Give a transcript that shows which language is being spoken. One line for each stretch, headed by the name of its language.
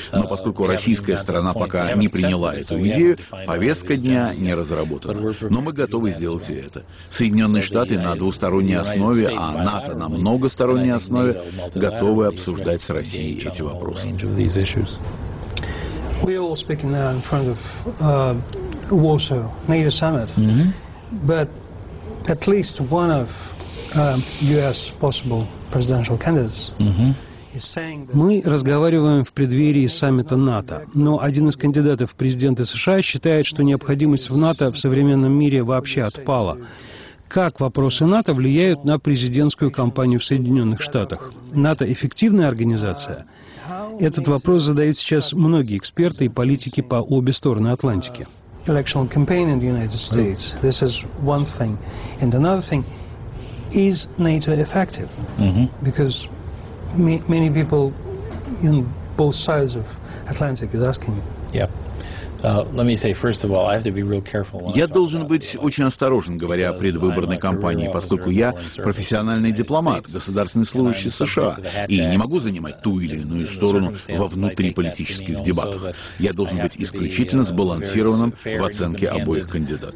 Russian: Но поскольку российская сторона пока не приняла эту идею, повестка дня не разработана. Но мы готовы сделать и это. Соединенные Штаты на двусторонней основе, а НАТО на многосторонней основе, готовы обсуждать с Россией эти вопросы.
English: We are all speaking now in front of Warsaw NATO summit, mm-hmm. but at least one of U.S. possible presidential candidates. Mm-hmm.
Russian: Мы разговариваем в преддверии саммита НАТО, но один из кандидатов в президенты США считает, что необходимость в НАТО в современном мире вообще отпала. Как вопросы НАТО влияют на президентскую кампанию в Соединенных Штатах? НАТО – эффективная организация? Этот вопрос задают сейчас многие эксперты и политики по обе стороны Атлантики.
English: Electoral campaign in the United States. This is one thing. And another thing, is NATO effective? Because many people in both sides of Atlantic is asking you. Yep.
Russian: Я должен быть очень осторожен, говоря о предвыборной кампании, поскольку я профессиональный дипломат, государственный служащий США, и не могу занимать ту или иную сторону во внутриполитических дебатах. Я должен быть исключительно сбалансированным в оценке обоих кандидатов.